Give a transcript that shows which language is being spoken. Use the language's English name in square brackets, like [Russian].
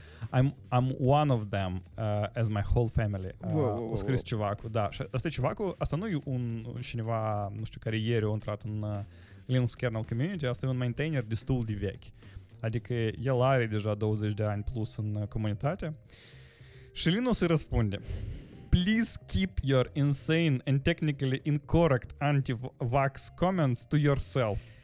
[English] I'm one of them as my whole family. Whoa. [Romanian] O scris cevacu, da. Asta e cevacu, asta nu e un cineva, nu știu, care ieri a intrat în Linux kernel community, asta e un maintainer destul de vechi. Adică el are deja 20 de ani plus în comunitate. Și Linus îi răspunde: [English] please keep your insane and technically incorrect anti-vax comments to yourself.